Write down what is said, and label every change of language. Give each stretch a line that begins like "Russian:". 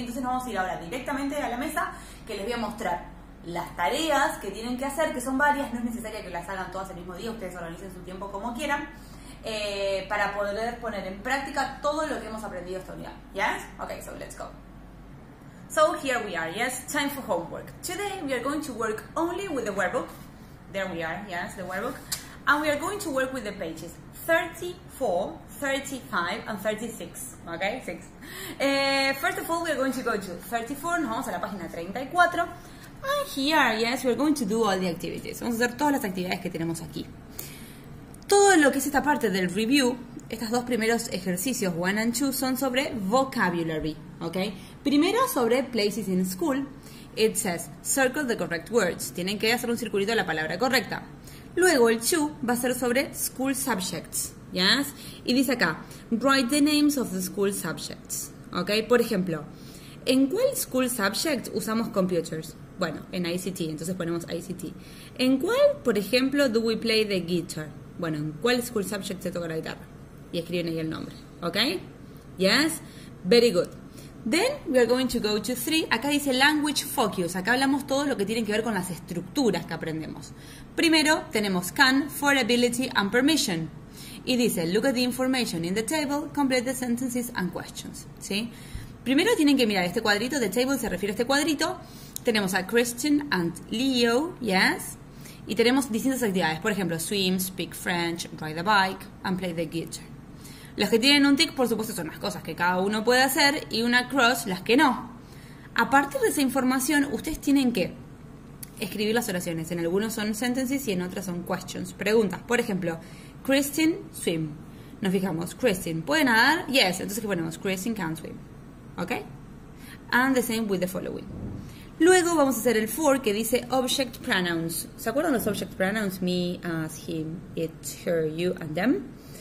Spanish: Entonces nos vamos a ir ahora directamente a la mesa, que les voy a mostrar las tareas que tienen que hacer, que son varias, no es necesario que las hagan todas el mismo día, ustedes organicen su tiempo como quieran, para poder poner en práctica todo lo que hemos aprendido esta unidad.
English: ¿Yes? Ok, so let's go. So here we are, yes, time for homework. Today we are going to work only with the workbook. There we are, yes, the workbook. And we are going to work with the pages 34, 35, and 36, okay? First of all, we are going to go to 34,
Spanish: nos vamos a la página 34.
English: And here, yes, we are going to do all the activities.
Spanish: Vamos a hacer todas las actividades que tenemos aquí. Todo lo que es esta parte del review, estos dos primeros ejercicios, 1 and 2, son sobre vocabulary, okay? Primero sobre
English: places in school. It says, circle the correct words.
Spanish: Tienen que hacer un circulito de la palabra correcta. Luego el 2 va a ser sobre school subjects, ¿yes? Y dice acá,
English: write the names of the school subjects, ¿ok?
Spanish: Por ejemplo, ¿en cuál school subject usamos computers? Bueno, en ICT, entonces ponemos ICT. ¿En cuál, por ejemplo,
English: do we play the guitar?
Spanish: Bueno, ¿en cuál school subject se toca la guitarra? Y escriben ahí el nombre, ¿ok? ¿Yes?
English: Very good. Then we are going to go to 3.
Spanish: Acá dice
English: language focus.
Spanish: Acá hablamos todo lo que tiene que ver con las estructuras que aprendemos. Primero tenemos can for ability and permission. Y dice
English: look at the information in the table, complete the sentences and questions.
Spanish: ¿Sí? Primero tienen que mirar este cuadrito. The table se refiere a este cuadrito. Tenemos a Christian and Leo. Yes. Y tenemos distintas actividades. Por ejemplo,
English: swim, speak French, ride a bike and play the guitar.
Spanish: Los que tienen un tic, por supuesto, son las cosas que cada uno puede hacer y una cross, las que no. A partir de esa información, ustedes tienen que escribir las oraciones. En algunos son sentences y en otras son questions, preguntas. Por ejemplo, Christine swim. Nos fijamos, Christine, ¿puede nadar? Yes. Entonces, ¿qué ponemos?
English: Christine can swim.
Spanish: ¿Ok?
English: And the same with the following.
Spanish: Luego vamos a hacer el 4 que dice object pronouns. ¿Se acuerdan los object pronouns?
English: Me, us, him, it, her, you and them.